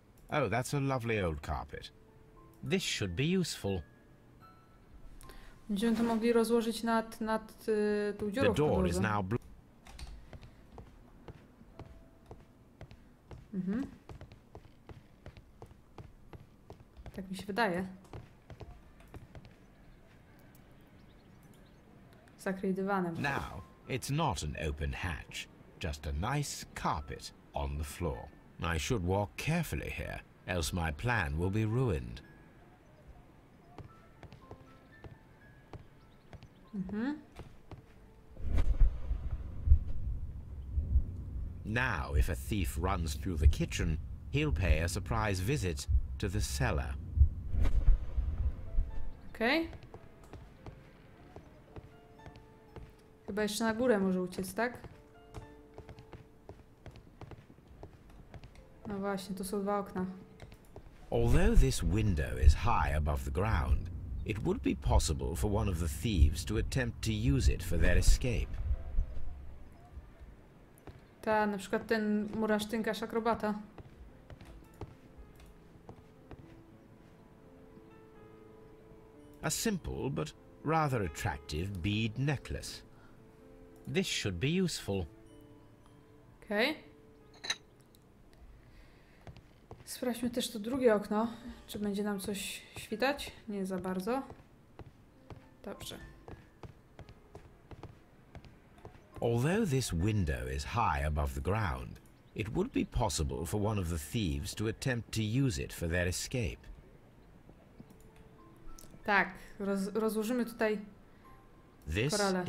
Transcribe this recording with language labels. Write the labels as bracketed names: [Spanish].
[English] Oh, that's a lovely old carpet. This should be useful. [Polish] Będziemy to mogli rozłożyć nad tą dziurą. [English] The door is now blocked. [Polish] Tak mi się wydaje. Zakryj dywanem. [English] Now, it's not an open hatch, just a nice carpet on the floor. I should walk carefully here, else my plan will be ruined. Now, if a thief runs through the kitchen, he'll pay a surprise visit to the cellar. [Polish] Okej. Chyba jeszcze na górę może uciec, tak? No właśnie, to są dwa okna. [English] Although this window is high above the ground, it would be possible for one of the thieves to attempt to use it for their escape. [Polish] Ta, na przykład ten murarz, tynkarz, akrobata. [English] A simple but rather attractive bead necklace. This should be useful. [Polish] Okej. Sprawdźmy też to drugie okno. Czy będzie nam coś świtać? Nie za bardzo. Dobrze. [English] Although this window is high above the ground, it would be possible for one of the thieves to attempt to use it for their escape. [Polish] Tak, rozłożymy tutaj This korale.